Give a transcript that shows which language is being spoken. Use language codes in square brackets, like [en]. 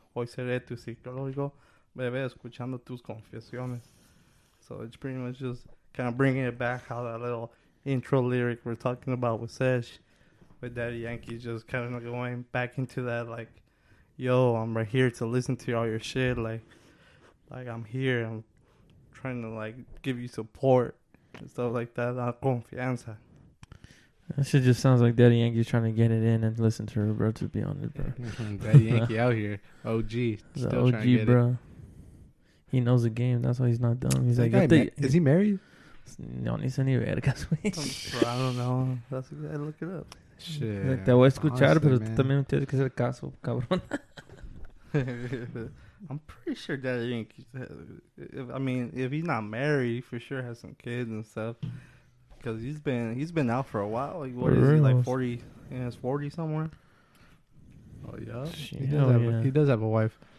[es] Hoy seré tu psicólogo, bebé, escuchando tus confesiones. [en] So it's pretty much just kind of bringing it back how that little intro lyric we're talking about with Serj, with Daddy Yankee just kind of going back into that, like, yo, I'm right here to listen to all your shit. Like I'm here. I'm trying to, like, give you support. Stuff like that, [es] la confianza. [en] That shit just sounds like Daddy Yankee trying to get it in and listen to her, bro, to be honest, bro. Daddy Yankee out here, OG. The still OG, trying to get bro. It. He knows the game, that's why he's not dumb. He's like, is he married? [es] No, ni se ni vergas, [en] güey. I don't know. That's a guy, look it up. Shit. [es] Te voy a escuchar, honestly, pero tú también tienes que hacer caso, cabrón. [en] I'm pretty sure Daddy Yankee, if he's not married, he for sure has some kids and stuff. Because he's been out for a while. Like, what is he, like 40? In his 40 somewhere? Oh, yeah. He does have a wife.